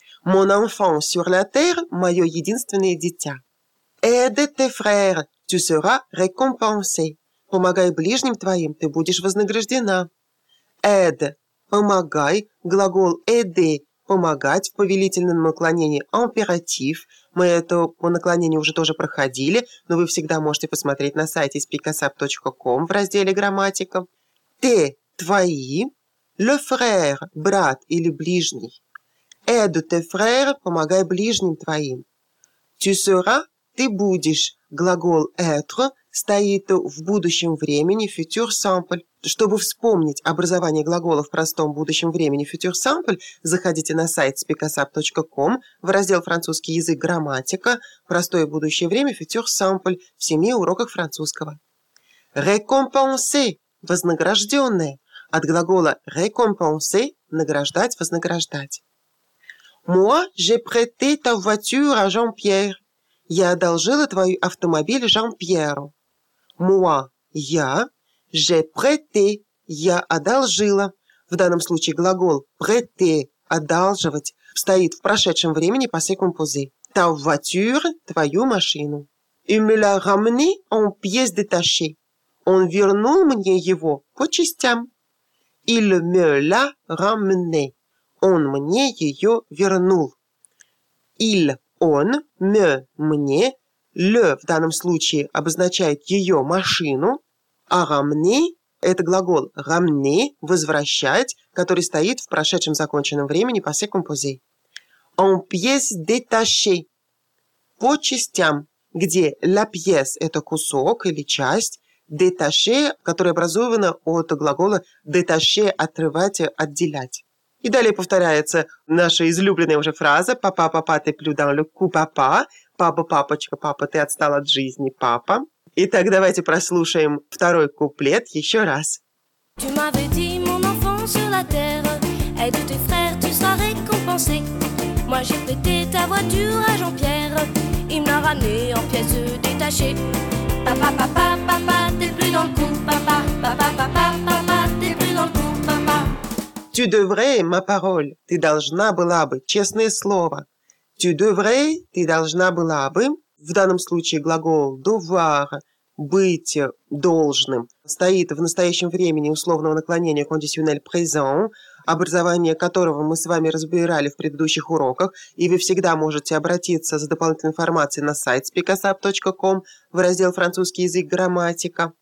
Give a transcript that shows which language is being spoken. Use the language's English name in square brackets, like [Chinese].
[French] «Mon enfant sur la terre» – [Russian] «мое единственное дитя». [French] «Aide tes frères» – «tu seras récompensé». [Russian] «Помогай ближним твоим, ты будешь вознаграждена». «Aide» – «помогай», глагол «aider» – «помогать» в повелительном наклонении «императив». Мы это по наклонению уже тоже проходили, но вы всегда можете посмотреть на сайте speakasap.com в разделе «Грамматика». «Ты» – «твои», «le frère» – «брат» или «ближний», [French] «aide tes frères» [Russian] – «помогай ближним твоим», «tu seras» – «ты будешь» – глагол «être» стоит в будущем времени «future simple». Чтобы вспомнить образование глагола в простом будущем времени «future simple», заходите на сайт speakasap.com в раздел «Французский язык. Грамматика. Простое будущее время. Future simple» в 7 уроках французского. «Récompenser» – «вознагражденное». От глагола «récompenser» – «награждать, вознаграждать». [French] «Moi, j'ai prêté ta voiture à Jean-Pierre». [Russian] «Я одолжила твой автомобиль Жан-Пьеру». «Moi» – «я». [French] «J'ai prêté» [Russian] – «я одолжила». В данном случае глагол «prêté» – «одалживать» стоит в прошедшем времени passé composé. [French] «Ta voiture» [Russian] – «твою машину». [French] «Il me l'a ramené en pièces détachées». [Russian] «Он вернул мне его по частям». [French] «Il me l'a ramené». [Russian] «Он мне ее вернул». «Il» – «он», «me» – «мне». «Le» в данном случае обозначает «ее машину». А «рамни» – это глагол «рамни» – «возвращать», который стоит в прошедшем законченном времени passé composé. [French] «En pièces détachées» [Russian] – «по частям», где «la pièce» – это кусок или часть, «détaché» – которое образовано от глагола «détaché» – «отрывать», «отделять». И далее повторяется наша излюбленная уже фраза [French] «Papa, papa, t'es plus dans le coup, papa». [Russian] «Папа, папочка, папа, ты отстал от жизни, папа». Итак, давайте прослушаем второй куплет еще раз. [French] Tu m'avais dit, mon enfant sur la terre, aide tes frères, tu seras récompensé. Moi j'ai prêté ta voiture à Jean-Pierre, il me l'a ramené en pièces détachées. papa, papa, papa, t'es plus dans le coup, papa, papa, papa, papa, t'es plus dans le coup, papa. Tu devrais, ma parole, [Russian] ты должна была бы, честное слово. [French] Tu devrais, [Russian] ты должна была бы, в данном случае глагол devoir, быть должным, стоит в настоящем времени условного наклонения conditionnel présent, образование которого мы с вами разбирали в предыдущих уроках, и вы всегда можете обратиться за дополнительной информацией на сайт speakasap.com в раздел «Французский язык. Грамматика».